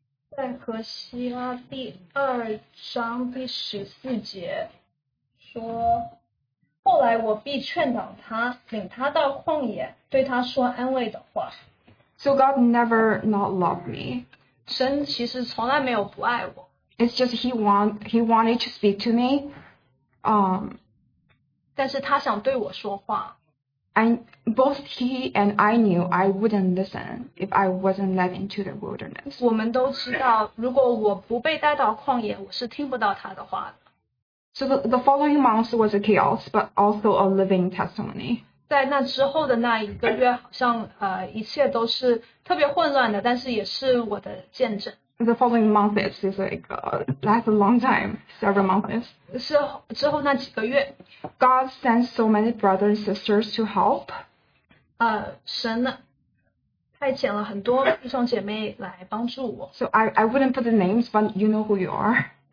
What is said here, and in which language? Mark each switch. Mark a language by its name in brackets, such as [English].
[Chinese] 在何西阿第二章第十四节说，后来我必劝导他，领他到旷野，对他说安慰的话。 [English] So God never not loved me. [Chinese] 神其实从来没有不爱我。 [English] It's just he wanted to speak to me. [Chinese] 但是他想对我说话。 [English] Both he and I knew I wouldn't listen if I wasn't led into the wilderness. [Chinese] 我们都知道，如果我不被带到旷野，我是听不到他的话的。 [English] So the following month was a chaos, but also a living testimony. [Chinese] 在那之后的那一个月，好像一切都是特别混乱的，但是也是我的见证。 [English] The following month is like last a long time, several months. [Chinese] 之后那几个月 [English] ，God sent so many brothers and sisters to help. [Chinese] 神派遣了很多弟兄姐妹来帮助我。 [English] So I wouldn't put the names, but you know who you are.